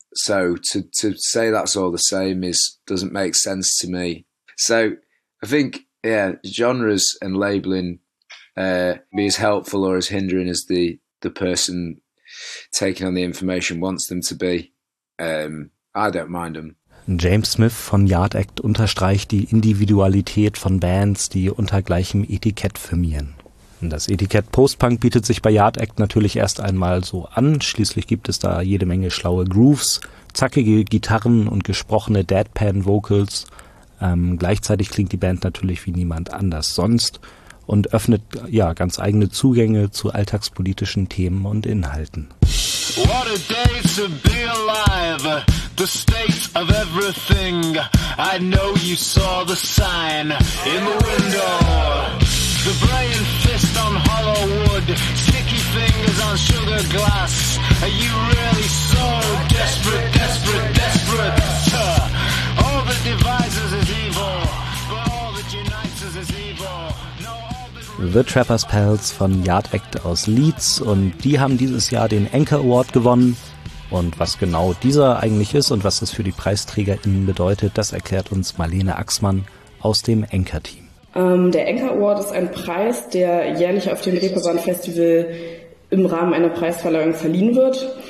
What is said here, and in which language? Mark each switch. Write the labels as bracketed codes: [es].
[en] So to say that's all the same is doesn't make sense to me. So I think, yeah, genres and labeling be as helpful or as hindering as the person taking on the information wants them to be. I don't mind them. [de] James Smith von Yard Act unterstreicht die Individualität von Bands, die unter gleichem Etikett firmieren. Das Etikett Postpunk bietet sich bei Yard Act natürlich erst einmal so an. Schließlich gibt es da jede Menge schlaue Grooves, zackige Gitarren und gesprochene Deadpan-Vocals. Gleichzeitig klingt die Band natürlich wie niemand anders sonst und öffnet ja ganz eigene Zugänge zu alltagspolitischen Themen und Inhalten. [en] What a day to be alive, the state of everything. I know you saw the sign in the window. The brain fist on hollow wood, sticky fingers on sugar glass. Are you really so desperate, desperate, desperate? All that divides is evil, but all that unites us is evil. [de] The Trapper's Pals von Yard Act aus Leeds und die haben dieses Jahr den Anchor Award gewonnen. Und was genau dieser eigentlich ist und was das für die PreisträgerInnen bedeutet, das erklärt uns Marlene Axmann aus dem Anchor-Team. Der Anchor Award ist ein Preis, der jährlich auf dem Reeperbahn-Festival im Rahmen einer Preisverleihung verliehen wird.